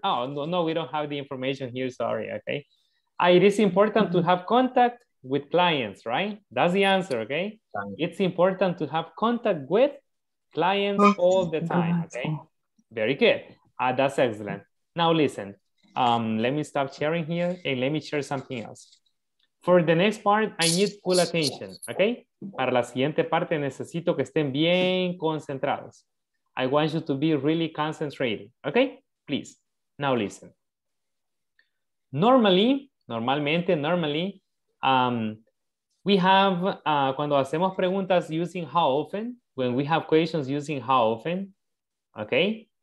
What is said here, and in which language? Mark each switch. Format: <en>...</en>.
<en>Oh, no, we don't have the information here. Sorry. Okay. It is important to have contact with clients, right? That's the answer. Okay. It's important to have contact with clients all the time. Okay. Very good. That's excellent. Now listen, let me stop sharing here and let me share something else. For the next part, I need full attention, okay?</en> <es>Para la siguiente parte, necesito que estén bien concentrados.</es> <en>I want you to be really concentrated, okay? Please, now listen. Normally, we have,</en> <es>cuando hacemos preguntas</es> <en>using how often, when we have questions using how often, okay?</en>